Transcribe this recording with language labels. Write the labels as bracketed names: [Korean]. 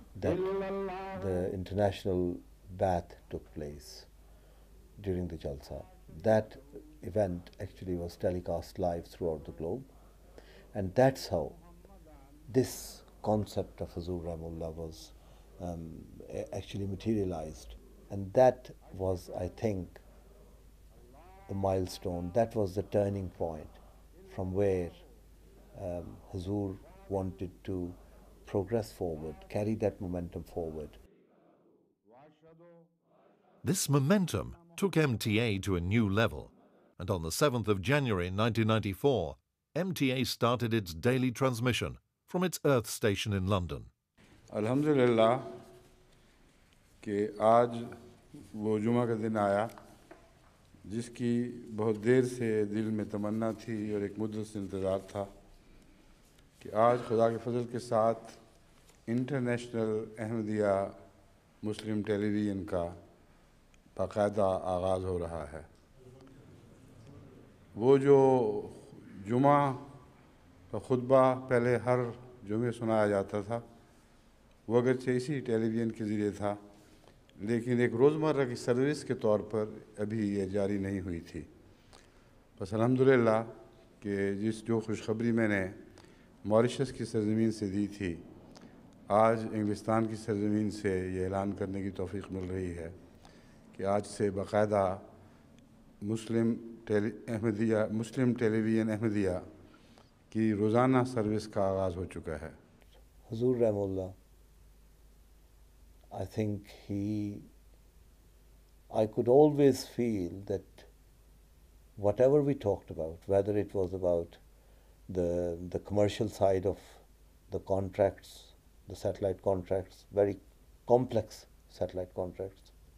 [English] The international بیعت took place during the جلسہ. That event actually was telecast live throughout the globe, and that's how this concept of حضور رحم اللہ was actually materialized. And that was, I think, the milestone. That was the turning point from where Hazur wanted to progress forward, carry that momentum forward. This momentum took MTA to a new level. And on the 7th of January 1994, MTA started its daily transmission from its Earth station in London. [Urdu] Alhamdulillah, کہ آج وہ جمعہ کا دن آیا جس کی بہت دیر سے دل میں تمنا تھی اور ایک مدت سے انتظار تھا, کہ آج خدا کے فضل کے ساتھ انٹرنیشنل احمدیہ مسلم ٹیلی ویژن کا باقاعدہ آغاز ہو رہا ہے. وہ جو جمعہ کا خطبہ پہلے ہر جمعے سنایا جاتا تھا, وہ اگرچہ اسی ٹیلی ویژن کے ذریعے تھا لیکن ایک روزمرہ کی سروس کے طور پر ابھی یہ جاری نہیں ہوئی تھی. بس الحمدللہ کہ جس جو خوشخبری میں نے موریشس کی سرزمین سے دی تھی, آج انگلستان کی سرزمین سے یہ اعلان کرنے کی توفیق مل رہی ہے کہ آج سے باقاعدہ مسلم ٹیلی ویژن احمدیہ کی روزانہ سروس کا آغاز ہو چکا ہے. [English] حضور رحم اللہ, I think I could always feel that whatever we talked about, whether it was about the commercial side of the contracts, the satellite contracts, very complex satellite contracts,